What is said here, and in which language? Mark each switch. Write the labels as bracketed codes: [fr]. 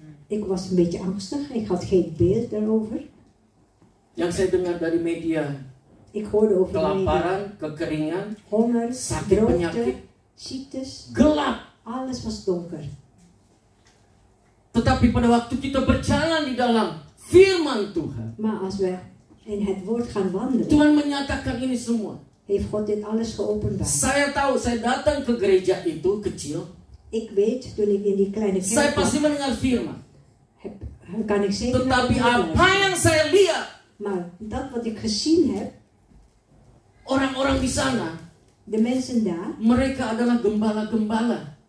[nl] Ik was een beetje angstig. Ik had geen beeld daarover. [id] Yang saya dengar dari media. [nl] Ik hoorde over [id] kelaparan, media. Kekeringan, [nl] honger, [id] sakit, droogte, penyakit, [nl] ziektes, [id] gelap. [nl] Alles was donker. [id] Tetapi pada waktu kita berjalan di dalam firman Tuhan. [nl] Maar als wij in het woord gaan wandelen. [id] Tuhan menyatakan ini semua. [nl] Heeft God dit alles geopenbaard? [id] Saya tahu, saya datang ke gereja itu kecil. [nl] Ik weet, toen ik in die kleine kerk. [id] Saya pasti mendengar firman. [nl] Kan ik zeker. [id] Tetapi apa yang saya lihat. [nl] Maar dat wat ik gezien heb. [id] Orang-orang di sana. [nl] De mensen daar. [id] Mereka adalah gembala-gembala.